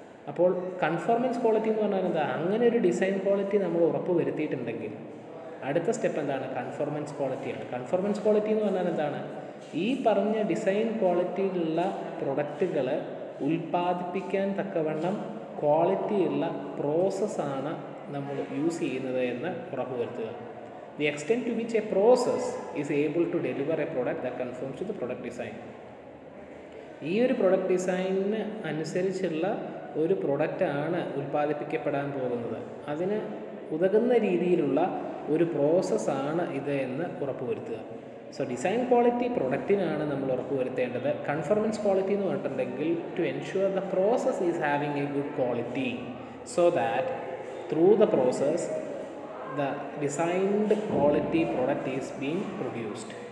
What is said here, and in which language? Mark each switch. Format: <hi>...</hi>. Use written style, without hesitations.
<ml>അപ്പോൾ conformance quality എന്ന് പറഞ്ഞാൽ എന്താ, അങ്ങനെ ഒരു ഡിസൈൻ ക്വാളിറ്റി നമ്മൾ ഉറപ്പ് വരുത്തിയിട്ടുണ്ടെങ്കിൽ അടുത്ത സ്റ്റെപ്പ് എന്താണ്, കൺഫോർമൻസ് ക്വാളിറ്റിയാണ്. കൺഫോർമൻസ് ക്വാളിറ്റി എന്ന് പറഞ്ഞാൽ എന്താണ്, ഈ പറഞ്ഞ ഡിസൈൻ ക്വാളിറ്റിയിലുള്ള പ്രൊഡക്റ്റുകൾ ഉൽപ്പാദിപ്പിക്കാൻ തക്കവണ്ണം ക്വാളിറ്റിയുള്ള പ്രോസസ്സാണ് നമ്മൾ യൂസ് ചെയ്യുന്നത് എന്ന് ഉറപ്പ് വരുത്തുക.</ml> <en>The extent to which a process is able to deliver a product that conforms to the product design.</en> <ml>ഈ ഒരു പ്രൊഡക്റ്റ് ഡിസൈനിന് അനുസരിച്ചുള്ള ഒരു പ്രൊഡക്റ്റാണ് ഉൽപ്പാദിപ്പിക്കപ്പെടാൻ പോകുന്നത്, അതിന് ഉതകുന്ന രീതിയിലുള്ള ഒരു പ്രോസസ്സാണ് ഇത് എന്ന് ഉറപ്പ് വരുത്തുക. സോ ഡിസൈൻ ക്വാളിറ്റി പ്രൊഡക്റ്റിനാണ് നമ്മൾ ഉറപ്പ് വരുത്തേണ്ടത്. കൺഫോർമൻസ് ക്വാളിറ്റി എന്ന് പറഞ്ഞിട്ടുണ്ടെങ്കിൽ,</ml> <en>To ensure the process is having a good quality, so that through the process the designed quality product is being produced.</en>